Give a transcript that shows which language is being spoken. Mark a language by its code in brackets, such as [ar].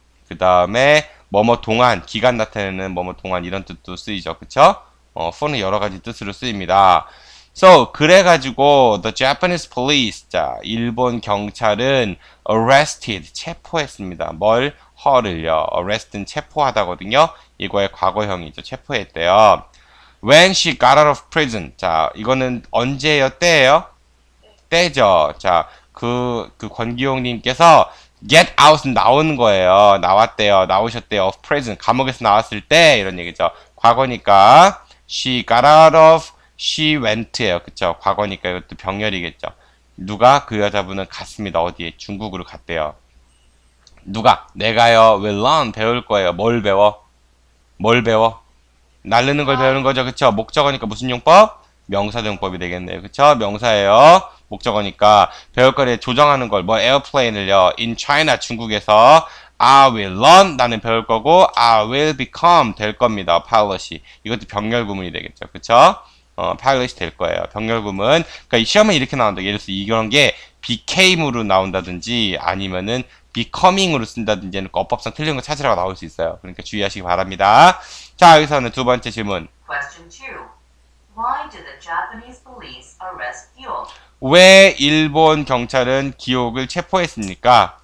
[ko] 그 다음에, 뭐뭐 동안, 기간 나타내는 뭐뭐 동안 이런 뜻도 쓰이죠. 그쵸? for는 여러 가지 뜻으로 쓰입니다. [en] So, [ko] 그래가지고, [en] the Japanese police, [ko] 자, 일본 경찰은 [en] arrested, [ko] 체포했습니다. 뭘? [en] her [ko] 를요. arrest는 체포하다거든요. 이거의 과거형이죠. 체포했대요. [en] When she got out of prison, [ko] 자, 이거는 언제예요? 때예요? 때죠. 자, 그 권기용님께서 get out은 나온 거예요. 나왔대요. 나오셨대요. [en] of prison. [ko] 감옥에서 나왔을 때. 이런 얘기죠. 과거니까. [en] She got out of She went예요. [ko] 그쵸? 과거니까 이것도 병렬이겠죠. 누가? 그 여자분은 갔습니다. 어디에? 중국으로 갔대요. 누가? 내가요. [en] Will learn. [ko] 배울 거예요. 뭘 배워? 뭘 배워? 날르는 걸 배우는 거죠. 그쵸? 목적어니까 무슨 용법? 명사대용법이 되겠네요. 그쵸? 명사예요. 목적어니까 배울 거래 조정하는 걸. 뭐 에어플레인을요. [en] In China, 중국에서. I will learn. [ko] 나는 배울 거고. [en] I will become. [ko] 될 겁니다. 팔러시. 이것도 병렬 구문이 되겠죠. 그쵸? 파일럿이 될 거예요. 병렬구문. 그러니까 이 시험은 이렇게 나온다. 예를 들어서 이런 게 became으로 나온다든지 아니면은 becoming으로 쓴다든지 하는 거 어법상 틀린 거 찾으라고 나올 수 있어요. 그러니까 주의하시기 바랍니다. 자, 여기서는 두 번째 질문. [en] Question 2. Why do the Japanese police arrest Gyok? [ko] 왜 일본 경찰은 기욕을 체포했습니까?